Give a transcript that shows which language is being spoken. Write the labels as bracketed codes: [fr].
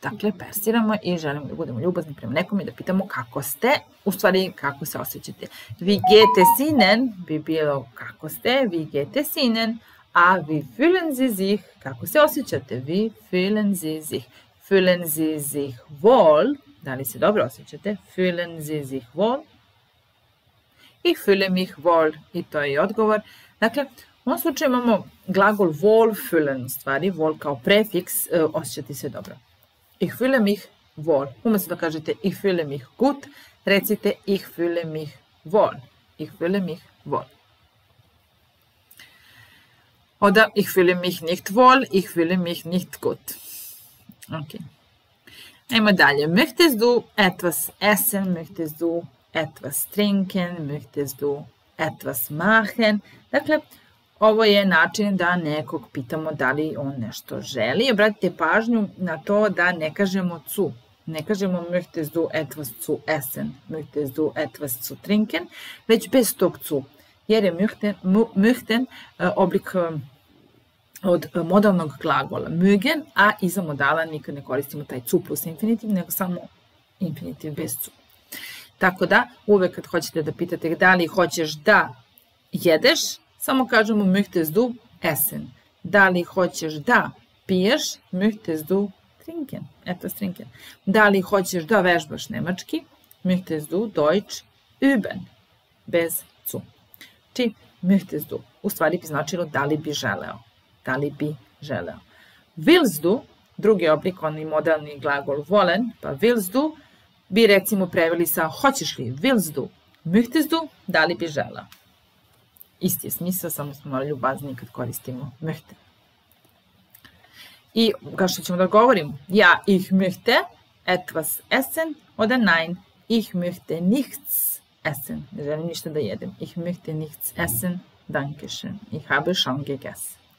[sr] Dakle, persiramo i želimo da budemo ljubazni prema nekom i da pitamo kako ste, u stvari kako se osjećate. [de] Wie geht es Ihnen [sr] bi bilo kako ste, [de] wie geht es Ihnen, a wie fühlen Sie sich, [sr] kako se osjećate, [de] wie fühlen Sie sich. Fühlen Sie sich wohl, [sr] da li se dobro osjećate, [de] fühlen Sie sich wohl. Ich fühle mich wohl, [sr] i to je i odgovor. Dakle, u ovom slučaju imamo glagol wohl fühlen, u stvari, wohl kao prefiks, osjećati se dobro. [de] Ich fühle mich wohl. [sr] Umesto da kažete [de] ich fühle mich gut, recite ich fühle mich wohl. Ich fühle mich wohl. Oder ich fühle mich nicht wohl, ich fühle mich nicht gut. [sr] Ok. Ajmo dalje. [de] Möchtest du etwas essen? Möchtest du etwas trinken? Möchtest du etwas machen? [sr] Dakle, ovo je način da nekog pitamo da li on nešto želi. Obratite pažnju na to da ne kažemo zu. Ne kažemo [de] möchtest du etwas zu essen, möchtest du etwas zu trinken, [sr] već bez tog zu. Jer je möchten oblik od modalnog glagola mögen, a iza modala nikad ne koristimo taj zu plus infinitiv, nego samo infinitiv bez zu. Tako da, uvek kad hoćete da pitate da li hoćeš da jedeš, samo kažemo [de] möchtest du essen. [sr] Da li hoćeš da piješ, [de] möchtest du trinken. [sr] Eto, trinken. Da li hoćeš da vežbaš nemački, [de] möchtest du deutsch üben. [sr] Bez zu. [de] Či möchtest du. [sr] U stvari bi značilo da li bi želeo. Da li bi želeo. Willst du, drugi oblik, onaj modalni glagol wollen, pa willst du, bi recimo preveli sa hoćeš li, [de] willst du, möchtest du, [sr] da li bi želeo. Isti je smisao, samo smo malo ljubazni kad koristimo möchte. I kao što ćemo da govorim, ja [de] ich möchte etwas essen, oder nein, ich möchte nichts essen. [sr] Ne želim ništa da jedem. [de] Ich möchte nichts essen, danke schön. Ich habe schon gegessen.